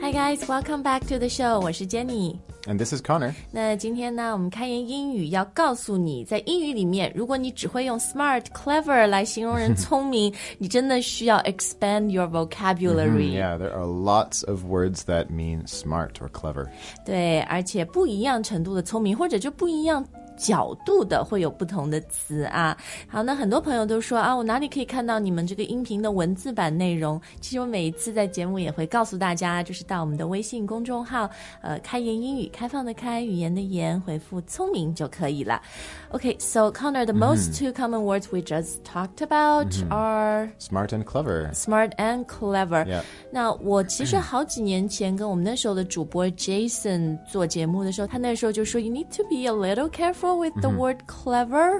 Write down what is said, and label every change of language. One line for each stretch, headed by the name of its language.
English: Hi guys, welcome back to the show. 我是 Jenny。 And this is Connor.
Chinese: 那今天呢，我们开言英语要告诉你，在英语里面，如果你只会用 smart, clever 来形容人聪明，你真的需要 expand your vocabulary.
English: Mm-hmm, yeah, there are lots of words that mean smart or clever.
Chinese: 对，而且不一样程度的聪明，或者就不一样角度的会有不同的词啊。好，那很多朋友都说啊，我哪里可以看到你们这个音频的文字版内容？其实我每一次在节目也会告诉大家，就是到我们的微信公众号，开言英语，开放的开，语言的言，回复聪明就可以了。
English: Okay, so Connor, the most two common words we just talked about are smart and clever. Smart and clever. Yeah.
Chinese: 那我其实好几年前跟我们那时候的主播 Jason 做节目的时候，他那时候就说 ， You need to be a little careful with the word clever.